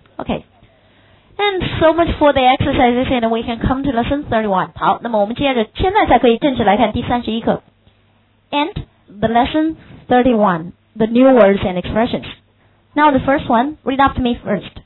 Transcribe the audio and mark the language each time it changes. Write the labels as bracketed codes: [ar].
[en] OK， and so much for the exercises and we can come to lesson 31。 [zh] 好，那么我们接着现在才可以正式来看第31课。 [en] And the lesson 31, the new words and expressions. Now the first one, read after me first.